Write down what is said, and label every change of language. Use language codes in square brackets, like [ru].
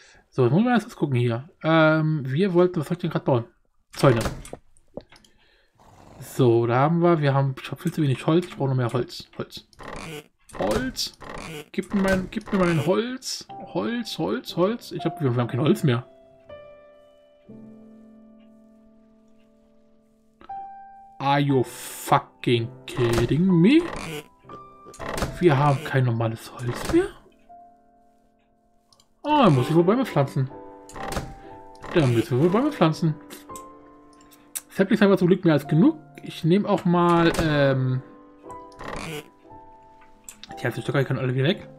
[de] So, jetzt wollen wir erst was gucken hier. Wir wollten, was soll ich denn gerade bauen? Zäune. So, da haben wir. Ich habe viel zu wenig Holz. Ich brauche noch mehr Holz. Holz. Holz. Gib mir mein Holz. Holz, Holz, Holz. Wir haben kein Holz mehr. [en] Are you fucking kidding me? [de] Wir haben kein normales Holz mehr. Oh, da muss ich wohl Bäume pflanzen. Da müssen wir wohl Bäume pflanzen. Saplings haben wir zum Glück mehr als genug. Ich nehme auch mal, die ganzen Stöcker können alle wieder weg.